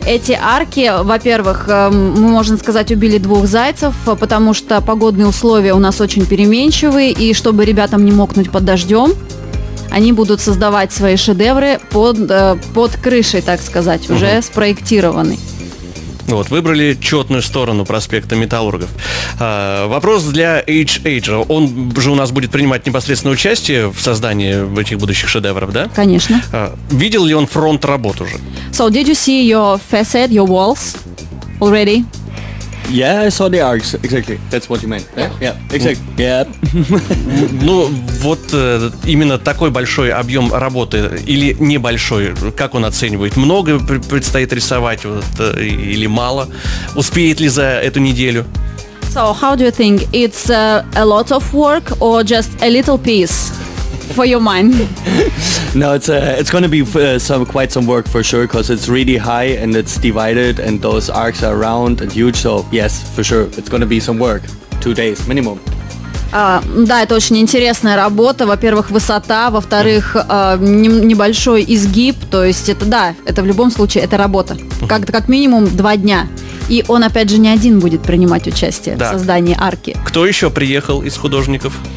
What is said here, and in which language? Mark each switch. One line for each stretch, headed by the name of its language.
Russian: Эти арки, во-первых, мы, можно сказать, убили двух зайцев, потому что погодные условия у нас очень переменчивые, и чтобы ребятам не мокнуть под дождем, они будут создавать свои шедевры под крышей, так сказать, уже спроектированной. Вот, выбрали четную сторону проспекта Металлургов. Вопрос для H-Age. Он же у нас будет принимать непосредственное участие в создании этих будущих шедевров, да? Конечно. Видел ли он фронт работ уже?
English: So, did you see your facade, your walls already? Yeah, I saw the arcs, exactly. That's what you meant. Yeah, yeah. Exactly. Yeah.
Russian: Ну, вот именно такой большой объем работы или небольшой, как он оценивает? Много предстоит рисовать вот, или мало? Успеет ли за эту неделю?
English: So, how do you think? It's a lot of work or just a little piece for your mind? No, it's going to be quite some work for sure, because it's really high and it's divided and those arcs are round and huge, so yes, for sure, it's going to be some work, 2 days minimum.
Russian: Да, это очень интересная работа. Во-первых, высота, во-вторых, небольшой изгиб, то есть это, да, это в любом случае, это работа. Как минимум 2 дня. И он, опять же, не один будет принимать участие в создании арки. Кто еще приехал из художников?